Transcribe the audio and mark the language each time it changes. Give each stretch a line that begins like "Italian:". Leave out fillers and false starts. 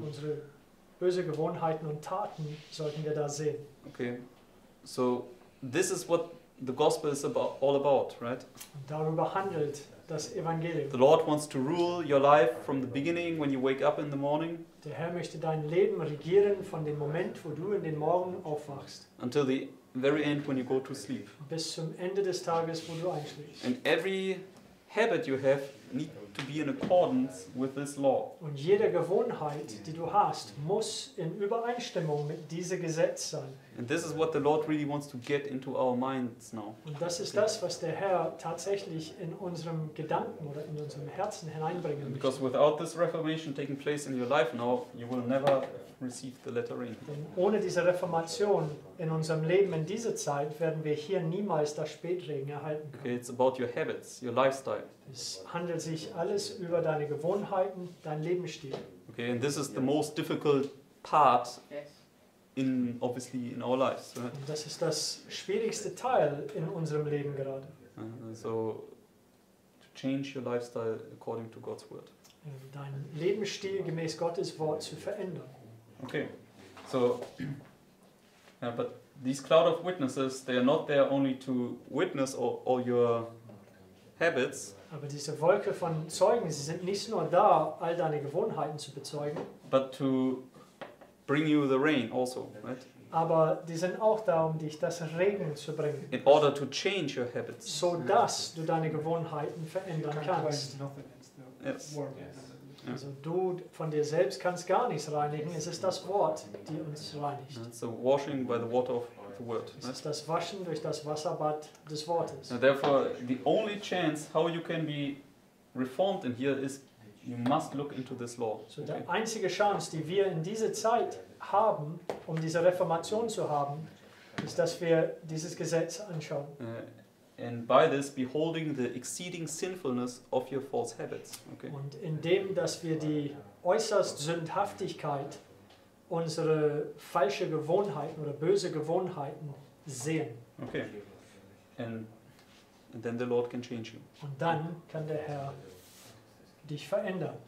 German: Unsere böse Gewohnheiten und Taten sollten wir da sehen.
English: Okay, so this is what the gospel is about, all about, right?
German: Darüber handelt das Evangelium.
English: The Lord wants to rule your life from the beginning when you wake up in the morning.
German: Der Herr möchte dein Leben regieren von dem Moment, wo du in den Morgen aufwachst.
English: Until the very end when you go to sleep.
German: Bis zum Ende des Tages, wo du einschläfst.
English: And every habit you have need to be in accordance with this law.
German: Und jede Gewohnheit, die du hast, muss in Übereinstimmung mit diesem Gesetz sein.
English: And this is what the Lord really wants to get into our minds now.
German: Und das ist das, was der Herr tatsächlich in unserem Gedanken oder in unserem Herzen hineinbringen möchte.
English: Because without this reformation taking place in your life now, you will never receive the letter in.
German: Denn ohne diese Reformation in unserem Leben in dieser Zeit werden wir hier niemals das Spätregen erhalten können.
English: Okay, it's about your habits, your lifestyle.
German: Es handelt sich alles über deine Gewohnheiten, dein Lebensstil.
English: Okay, and this is the most difficult part. In obviously in our lives. Right?
German: Und das ist das schwierigste Teil in unserem Leben gerade.
English: So to change your lifestyle according to God's word.
German: Deinen Lebensstil gemäß Gottes Wort zu verändern.
English: Okay. So yeah, but these cloud of witnesses, they are not there only to witness all your habits.
German: Aber diese Wolke von Zeugen, sie sind nicht nur da, all deine Gewohnheiten zu bezeugen.
English: But to bring you the rain also, right?
German: Aber die sind auch da, um dich das Regen zu bringen.
English: In order to change your habits.
German: So dass du deine Gewohnheiten verändern kannst.
English: Yes.
German: Also du von dir selbst kannst gar nichts reinigen. Es ist das Wort, die uns reinigt.
English: It's the washing by the water of the word.
German: Es ist das Waschen durch das Wasserbad des Wortes.
English: And therefore, the only chance how you can be reformed in here is you must look into this law.
German: So die einzige Chance, die wir in dieser Zeit haben, um diese Reformation zu haben, ist, dass wir dieses Gesetz anschauen.
English: And by this beholding the exceeding sinfulness of your false habits. Okay.
German: Und indem, dass wir die äußerst Sündhaftigkeit unserer falschen Gewohnheiten oder böse Gewohnheiten sehen.
English: Okay. And then the Lord can change you.
German: Und dann kann der Herr dich verändern.